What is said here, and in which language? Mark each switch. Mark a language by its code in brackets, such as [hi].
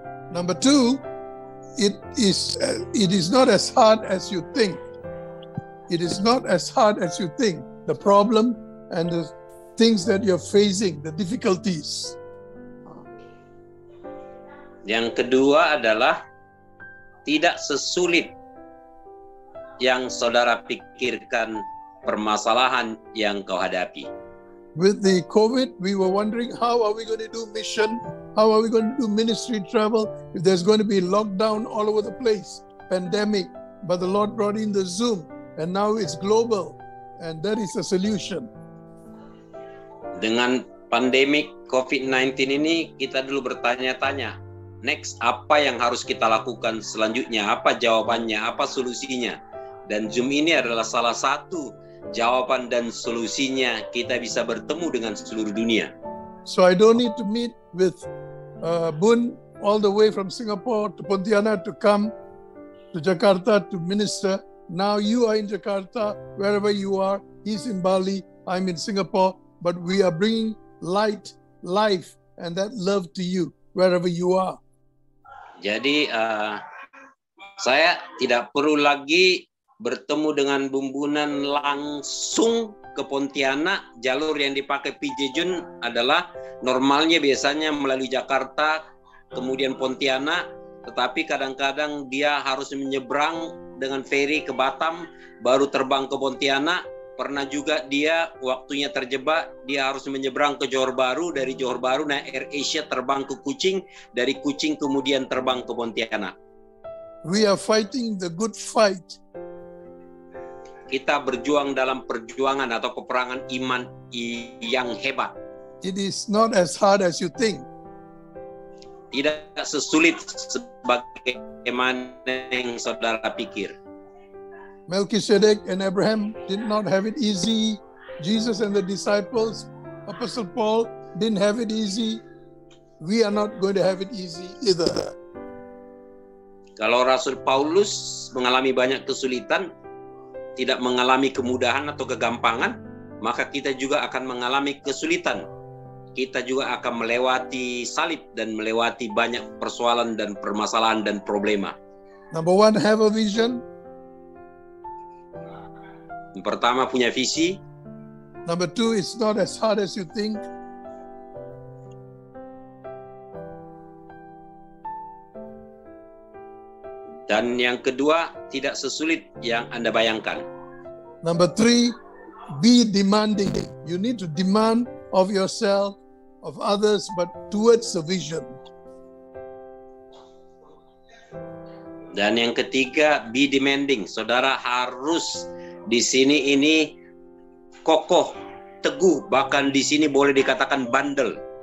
[en] Number two, it is not as hard as you think. It is not as hard as you think. The problem and the things that you're facing, the difficulties. [id] Yang kedua adalah tidak sesulit yang saudara pikirkan permasalahan yang kau hadapi. [en] With the COVID, we were wondering how are we going to do mission? How are we going to do ministry travel? If there's going to be lockdown all over the place, pandemic, but the Lord brought in the Zoom and now it's global and that is the solution. [id] Dengan pandemic COVID-19 ini, kita dulu bertanya-tanya, next, apa yang harus kita lakukan selanjutnya? Apa jawabannya? Apa solusinya? Dan Zoom ini adalah salah satu jawaban dan solusinya, kita bisa bertemu dengan seluruh dunia. [en] So I don't need to meet with Bun all the way from Singapore to Pontianak to come to Jakarta to minister. Now you are in Jakarta, wherever you are. He's in Bali, I'm in Singapore. But we are bringing light, life, and that love to you, wherever you are. [id] Jadi, saya tidak perlu lagi bertemu dengan Bumbunan langsung ke Pontianak. Jalur yang dipakai PJ Jun adalah normalnya biasanya melalui Jakarta, kemudian Pontianak. Tetapi kadang-kadang dia harus menyeberang dengan feri ke Batam, baru terbang ke Pontianak. Pernah juga dia waktunya terjebak, dia harus menyeberang ke Johor Bahru, dari Johor Bahru naik Air Asia terbang ke Kuching, dari Kuching kemudian terbang ke Pontianak. [en] We are fighting the good fight. [id] Kita berjuang dalam perjuangan atau peperangan iman yang hebat. [en] It is not as hard as you think. [id] Tidak sesulit sebagaimana yang saudara pikir. [en] Melchizedek and Abraham did not have it easy. Jesus and the disciples, Apostle Paul, didn't have it easy. We are not going to have it easy either. [id] Kalau Rasul Paulus mengalami banyak kesulitan, tidak mengalami kemudahan atau kegampangan, maka kita juga akan mengalami kesulitan. Kita juga akan melewati salib dan melewati banyak persoalan dan permasalahan dan problema. [en] Number one, have a vision. [id] Yang pertama, punya visi. [en] Number two, it's not as hard as you think. [id] Dan yang kedua, tidak sesulit yang Anda bayangkan. [en] Number three, be demanding. You need to demand of yourself, of others, but towards the vision. [id] Dan yang ketiga, [en] be demanding. [id] Saudara harus di sini ini kokoh, teguh, bahkan di sini boleh dikatakan bandel.